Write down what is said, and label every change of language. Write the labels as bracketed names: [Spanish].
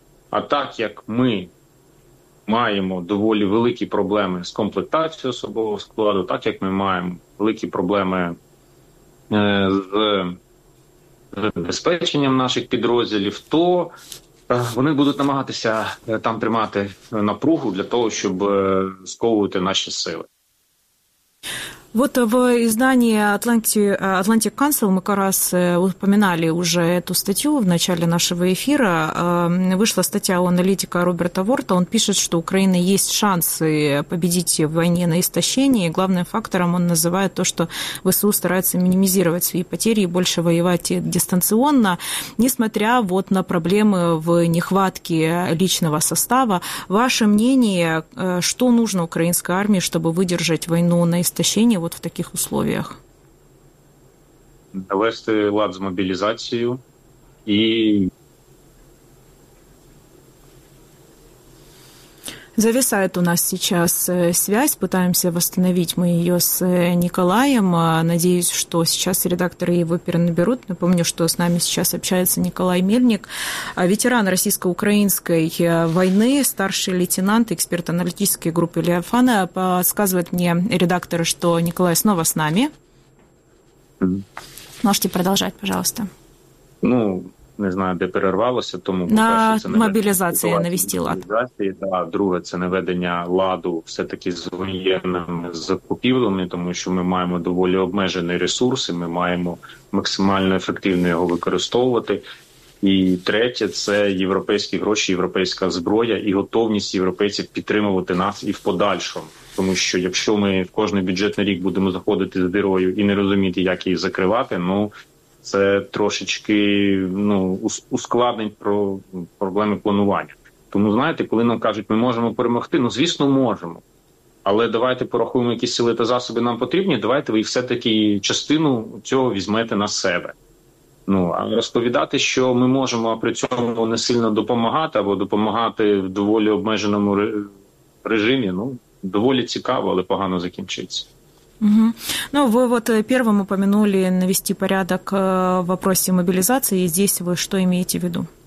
[Ukrainian] А так як ми маємо доволі великі проблеми з комплектацією особового складу, так як ми маємо великі проблеми з забезпеченням наших підрозділів, то вони будуть намагатися там тримати напругу для того, щоб сковувати наші сили. [Russian] Вот в издании Atlantic Council мы как раз упоминали уже эту статью в начале нашего эфира. Вышла статья у аналитика Роберта Ворта. Он пишет, что у Украины есть шансы победить в войне на истощение. Главным фактором он называет то, что ВСУ старается минимизировать свои потери и больше воевать дистанционно. Несмотря вот на проблемы в нехватке личного состава, ваше мнение, что нужно украинской армии, чтобы выдержать войну на истощение от в таких условиях? [Ukrainian] Навести лад з мобілізацією і... [Russian] Зависает у нас сейчас связь, пытаемся восстановить мы ее с Николаем. Надеюсь, что сейчас редакторы его перенаберут. Напомню, что с нами сейчас общается Николай Мельник, ветеран российско-украинской войны, старший лейтенант, эксперт аналитической группы Леофана. Подсказывает мне редактор, что Николай снова с нами. Можете продолжать, пожалуйста. [Ukrainian] Ну, не знаю, де перервалося, тому на перше, мобілізації навести лад. [Russian] Да. [Ukrainian] Друге, це наведення ладу все-таки з воєнними закупівлями, тому що ми маємо доволі обмежені ресурси, ми маємо максимально ефективно його використовувати. І третє, це європейські гроші, європейська зброя і готовність європейців підтримувати нас і в подальшому. Тому що якщо ми в кожний бюджетний рік будемо заходити з дірою і не розуміти, як її закривати, ну, це трошечки ускладнить проблеми планування. Тому, знаєте, коли нам кажуть, ми можемо перемогти, ну, звісно, можемо. Але давайте порахуємо, які сили та засоби нам потрібні, давайте ви все-таки частину цього візьмете на себе. Ну, а розповідати, що ми можемо при цьому не сильно допомагати, або допомагати в доволі обмеженому режимі, ну, доволі цікаво, але погано закінчиться. Угу. [Russian] Ну, вы вот первым упомянули навести порядок в вопросе мобилизации. И здесь вы что имеете в виду?